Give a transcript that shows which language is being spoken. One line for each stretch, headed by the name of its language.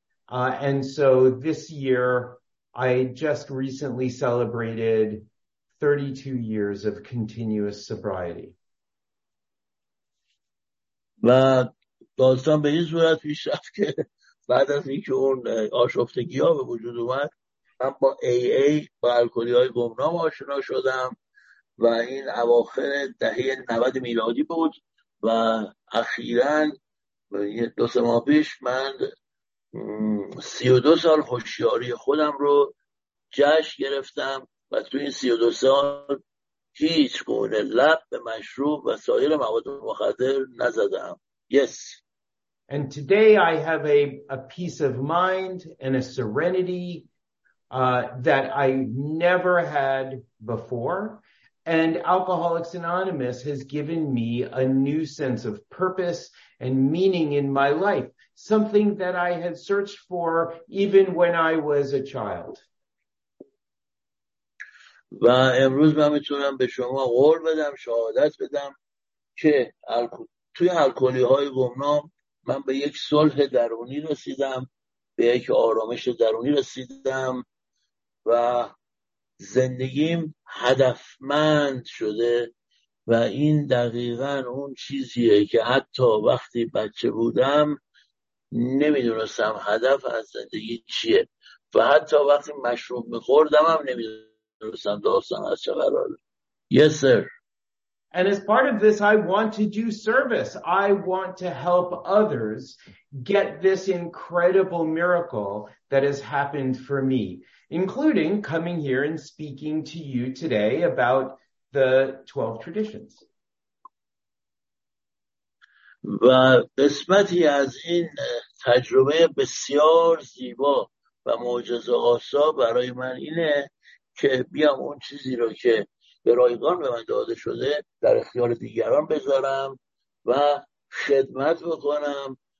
English: And so this year I just recently celebrated 32 years of continuous sobriety.
Persian: و داستان به این صورت پیش رفت که بعد از اینکه اون آشفتگی ها به وجود اومد، من با AA با الکلی های گمنام آشنا شدم و این اواخر دهه 90 میلادی بود و اخیراً دو سه ماه پیش من 32 سال هوشیاری خودم رو جشن گرفتم و تو این 32 سال هیچ گونه لب به مشروب و سایر مواد مخدر نزدم.
English: Yes. And today I have a peace of mind and a serenity that I never had before, And Alcoholics Anonymous has given me a new sense of purpose and meaning in my life, something that I had searched for even when I was a child.
Persian: و امروز من میتونم به شما قول بدم، شهادت بدم که توی الکلی‌های گمنام من به یک صلح درونی رسیدم، به یک آرامش درونی رسیدم و زندگیم هدفمند شده و این دقیقا اون چیزیه که حتی وقتی بچه بودم نمیدونستم هدف از زندگی چیه و حتی وقتی مشروب میخوردم هم نمیدونستم داستان از چه قراره.
English: Yes, sir. And as part of this, I want to do service. I want to help others get this incredible miracle that has happened for me, including coming here and speaking to you today about the 12 traditions.
Persian: و قسمتی از این تجربه بسیار زیبا و معجزه آسا برای من اینه که بیام اون چیزی رو که به رایگان به من داده شده در اختیار دیگران بذارم و خدمت بکنم